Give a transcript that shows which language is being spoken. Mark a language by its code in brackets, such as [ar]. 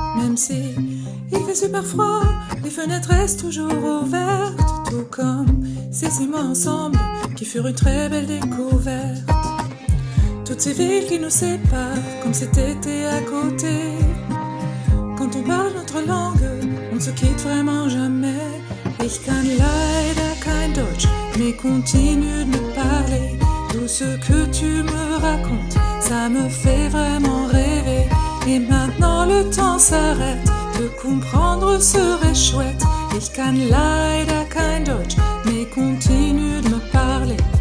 [fr] Même si il fait super froid, les fenêtres restent toujours ouvertes. Tout comme ces 6 mois ensemble, qui furent une très belle découverte. Toutes ces villes qui nous séparent, comme cet été à côté. Quand on parle notre langue, on ne se quitte vraiment jamais. [de] Ich kann leider kein Deutsch, [fr] mais continue de me parler. Tout ce que tu me racontes, ça me fait vraiment rêver. Et maintenant le temps s'arrête, te comprendre serait chouette. [de] Ich kann leider kein Deutsch, [fr] mais continue de me parler.